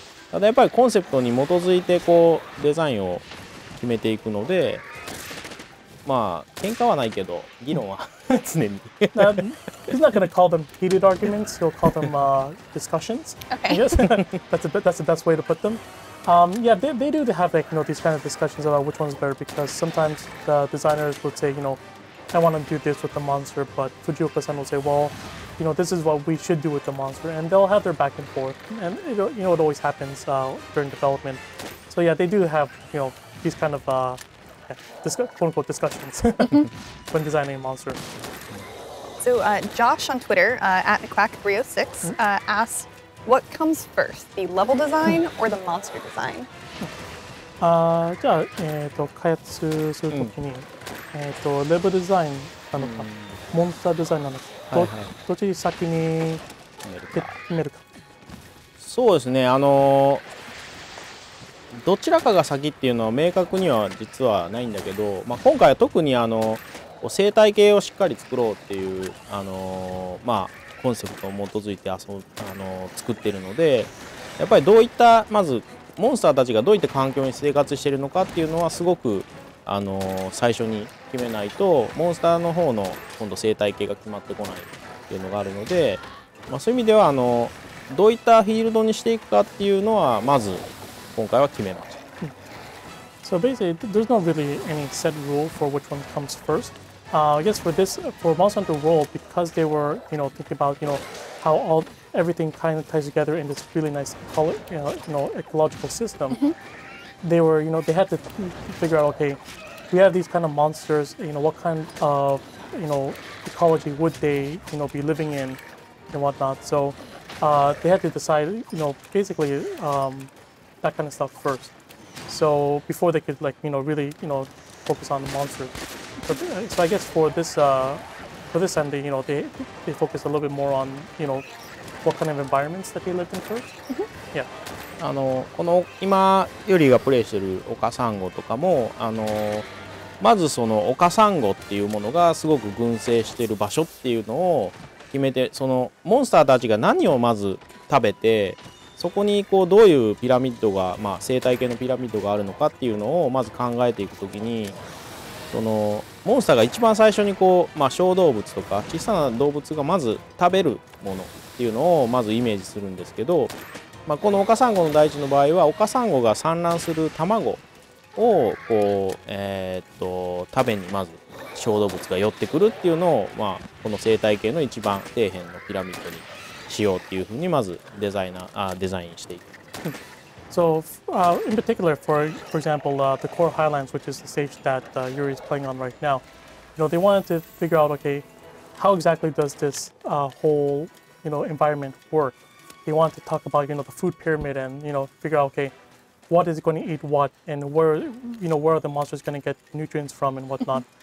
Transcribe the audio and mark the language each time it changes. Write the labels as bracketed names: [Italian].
[Japanese] ただやっぱりコンセプトに基づいてこうデザインを決めていくので、まあ喧嘩はないけど議論は常に。 [English] He's not gonna call them heated arguments. He'll call them discussions. Okay. Yes, that's the best way to put them. Yeah, they do have like, you know, these kind of discussions about which one's better, because sometimes the designers would say, you know, I want to do this with the monster, but Fujioka-san will say, well, you know, this is what we should do with the monster, and they'll have their back and forth, and you know, it always happens during development. So yeah, they do have, you know, these kind of. Quote-unquote discussions when designing a monster. So Josh on Twitter, at Quack306, asks, what comes first, the level design or the monster design? [Japanese] じゃあ、開発するときに、レベルデザインなのか、モンスターデザインなのか、どっち先に決めるか。そうですね、どちらかが先っていうのは明確には実はないんだけど、まあ、今回は特に生態系をしっかり作ろうっていう、まあ、コンセプトを基づいて作ってるので、やっぱりどういったまずモンスターたちがどういった環境に生活しているのかっていうのはすごく、最初に決めないと、モンスターの方の今度生態系が決まってこないっていうのがあるので、まあ、そういう意味ではどういったフィールドにしていくかっていうのはまず今回は決めました。 [English] So basically, there's not really any set rule for which one comes first. I guess for this, for Monster Hunter World, because they were, you know, thinking about, you know, how all everything kind of ties together in this really nice, ecological system. They were, you know, they had to figure out, okay, we have these kind of monsters. You know, what kind of, you know, ecology would they, you know, be living in and whatnot. So they had to decide, you know, basically. That kind of stuff first. So before they could, like, you know, really, you know, focus on the monster. So I guess for this end, you know, they focus a little bit more on, you know, what kind of environments that they lived in first. Yeah. [Japanese] この今ユリがプレイしてる丘サンゴとかも、まずその丘サンゴっていうものがすごく群生してる場所っていうのを決めて、そのモンスターたちが何をまず食べて、そこにこうどういうピラミッドが、まあ、生態系のピラミッドがあるのかっていうのをまず考えていくときに、そのモンスターが一番最初にこう、まあ、小動物とか小さな動物がまず食べるものっていうのをまずイメージするんですけど、まあ、このオカサンゴの大地の場合はオカサンゴが産卵する卵をこう、食べにまず小動物が寄ってくるっていうのを、まあ、この生態系の一番底辺のピラミッドにしようっていうふうにまずデザイナー、デザインしていく。 [English] So, in particular, for example, the Core Highlands, which is the stage that Yuri is playing on right now, you know, they wanted to figure out, okay, how exactly does this whole, you know, environment work? They wanted to talk about, you know, the food pyramid and, you know, figure out, okay, what is it going to eat what and where, you know, where are the monsters going to get nutrients from and whatnot.